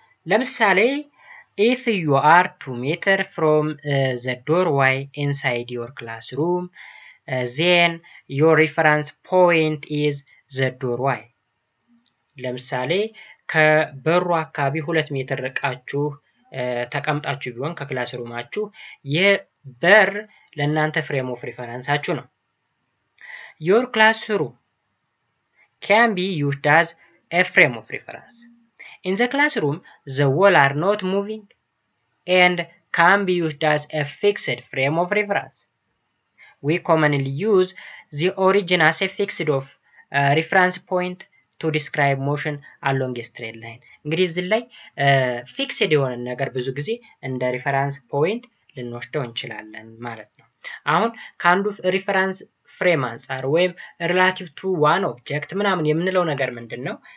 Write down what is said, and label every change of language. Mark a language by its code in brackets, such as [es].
[en] ለምሳሌ if you are 2 meter from the doorway inside your classroom then your reference point is the doorway [am] ለምሳሌ ከበሩ አካባቢ 2 ሜትር ርቃችሁ ተቀምጣችሁ ቢሆን ከክላስሩማችሁ የበር ለእናንተ ፍሬም ኦፍ ሪፈረንሳችሁ ነው [en] Your classroom can be used as a frame of reference. In the classroom, the walls are not moving and can be used as a fixed frame of reference. We commonly use the origin as a fixed of reference point to describe motion along a straight line. [am] እንግዲህ እዚህ ላይ fixed የሆነ ነገር ብዙ ጊዜ እንደ reference point ልንወስደው እንችላለን ማለት ነው። አሁን ካንዱ reference ፍሬም አንጻር ወይም [en] relative to one object [am] ምናምን የምንለው ነገር ምንድን ነው?